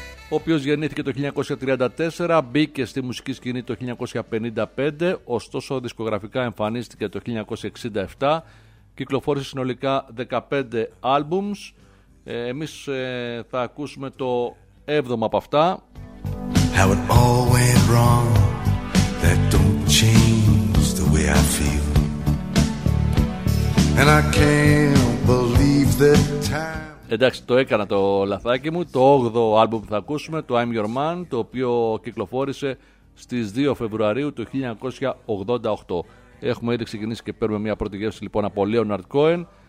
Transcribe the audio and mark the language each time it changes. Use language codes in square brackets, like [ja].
[el] Ο οποίος γεννήθηκε το 1934, μπήκε στη μουσική σκηνή το 1955, ωστόσο δισκογραφικά εμφανίστηκε το 1967, κυκλοφόρησε συνολικά 15 άλμπουμς. Εμείς θα ακούσουμε το 7ο από αυτά. [en] How it all went wrong, that don't change the way I feel. And I can't believe that time. [el] Εντάξει, το έκανα το λαθάκι μου. Το 8ο άλμπουμ που θα ακούσουμε, το I'm Your Man, το οποίο κυκλοφόρησε στις 2 Φεβρουαρίου του 1988. Έχουμε ήδη ξεκινήσει και παίρνουμε μια πρώτη γεύση λοιπόν από Leonard Cohen.